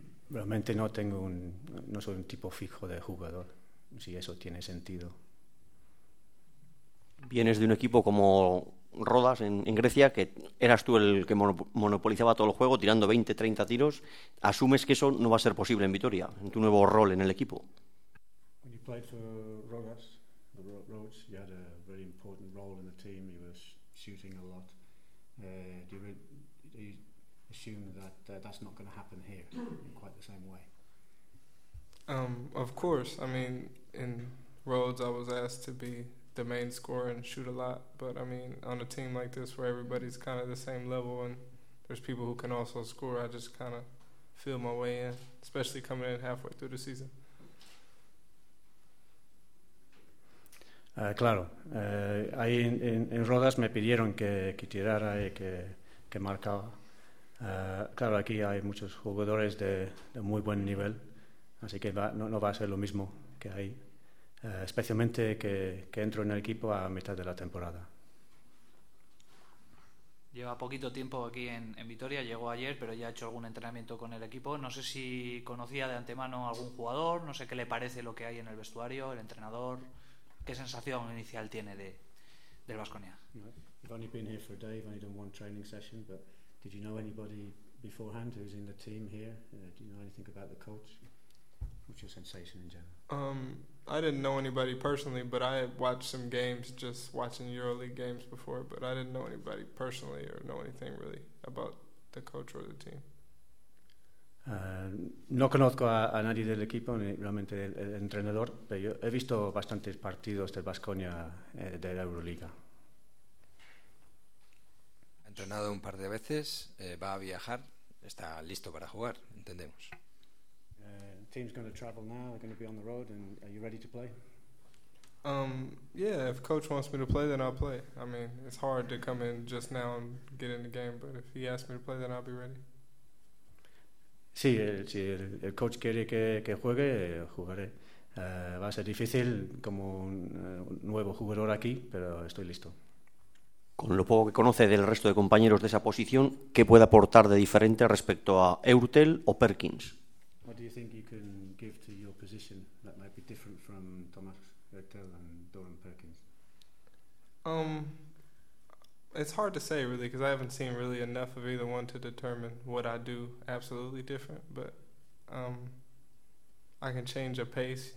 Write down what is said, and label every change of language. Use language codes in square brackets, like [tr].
[es] Realmente no soy un tipo fijo de jugador, si eso tiene sentido. Vienes de un equipo como Rodas en Grecia, que eras tú el que monopolizaba todo el juego tirando 20-30 tiros. ¿Asumes que eso no va a ser posible en Vitoria, en tu nuevo rol en el equipo? [en] When you played for Rodas, the Rhodes, you had a very important role in the team. You were shooting a lot. Do you assume that's not going to happen here in quite the same way? Of course. I mean, in Rhodes, I was asked to be the main scorer and shoot a lot, but I mean, on a team like this where everybody's kind of the same level and there's people who can also score, I just kind of feel my way in, especially coming in halfway through the season. [es] Claro, ahí en Rodas me pidieron que tirara y que marcaba. Claro, aquí hay muchos jugadores de muy buen nivel, así que no va a ser lo mismo que ahí. Especialmente que entro en el equipo a mitad de la temporada. Lleva poquito tiempo aquí en Vitoria, llegó ayer, pero ya ha hecho algún entrenamiento con el equipo. No sé si conocía de antemano algún jugador, no sé qué le parece lo que hay en el vestuario, el entrenador. ¿Qué sensación inicial tiene del Baskonia? [en] I've only been here for a day, I've only done one training session, but did you know anybody beforehand who's in the team here? Do you know anything about the coach? What's your sensation in general? I didn't know anybody personally, but I had watched some games, just watching EuroLeague games before, but I didn't know anybody personally or know anything really about the coach or the team. [es] no conozco a nadie del equipo, ni realmente el entrenador, pero yo he visto bastantes partidos del Baskonia de la Euroliga. Ha entrenado un par de veces, va a viajar, está listo para jugar, entendemos. [en] The team's going to travel now, they're going to be on the road, and are you ready to play? Yeah, if coach wants me to play, then I'll play. I mean, it's hard to come in just now and get in the game, but if he asks me to play, then I'll be ready. [es] Sí, si el coach quiere que juegue, jugaré. Va a ser difícil como un nuevo jugador aquí, pero estoy listo. Con lo poco que conoce del resto de compañeros de esa posición, ¿qué puede aportar de diferente respecto a Eurtel o Perkins? [en] What do you think you can give to your position that might be different from Thomas Eurtel and Doran Perkins? It's hard to say, really, because I haven't seen really enough of either one to determine what I do absolutely different, but I can change a pace.